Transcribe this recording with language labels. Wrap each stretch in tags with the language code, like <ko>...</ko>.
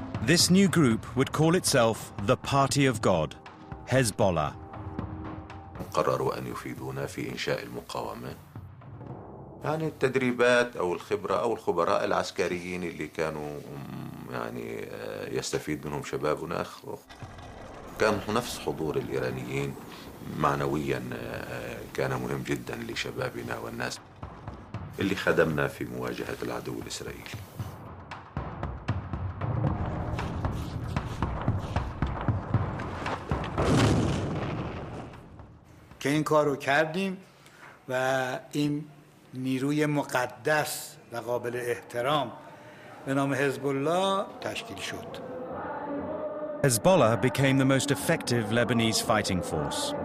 <en>This new group would call itself the Party of God, Hezbollah.</en> <ar>قرروا ان يفيدونا في انشاء المقاومه يعني التدريبات او الخبره او الخبراء العسكريين اللي كانوا يعني يستفيد منهم شباب ناخ كان نفس حضور الإيرانيين معنويا كان مهم جدا لشبابنا والناس اللي خدمنا في مواجهة العدو الإسرائيلي.</ar> <fa>که این کار رو کردیم و این نیروی مقدس و قابل احترام به نام حزب الله تشکیل شد.</fa> <en>Hezbollah became the most effective Lebanese fighting force.</en>